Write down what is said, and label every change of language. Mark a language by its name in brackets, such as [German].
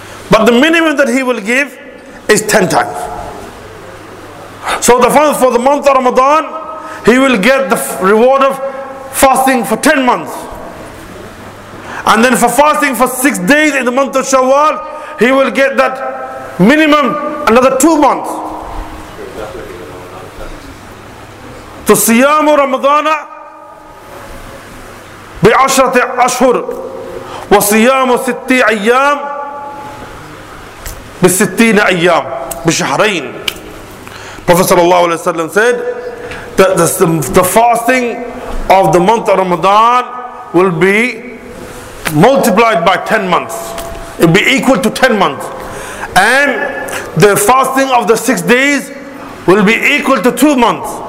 [English] But the minimum that He will give is 10 times. So the fast for the month of Ramadan, He will get the reward of fasting for 10 months. And then for fasting for 6 days in the month of Shawwal, He will get that minimum another 2 months. [Arabic] فصيام رمضان بعشرة أشهر وصيام ستي أيام بستين أيام بشهرين. [English] Prophet sallallahu alaihi wasallam said that the fasting of the month of Ramadan will be multiplied by 10 months. It will be equal to 10 months. And the fasting of the 6 days will be equal to 2 months.